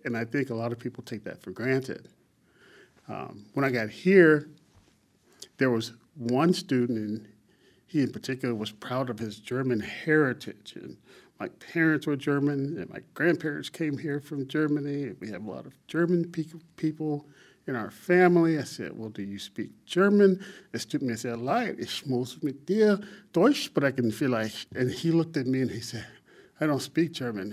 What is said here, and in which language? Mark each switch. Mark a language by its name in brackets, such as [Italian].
[English] And I think a lot of people take that for granted. When I got here, there was one student, and he in particular was proud of his German heritage. And my parents were German, and my grandparents came here from Germany, and we have a lot of German people. In our family, I said, well, do you speak German? The student said, like, [German] ich muss mit dir Deutsch sprechen vielleicht. [English] And he looked at me and he said, I don't speak German.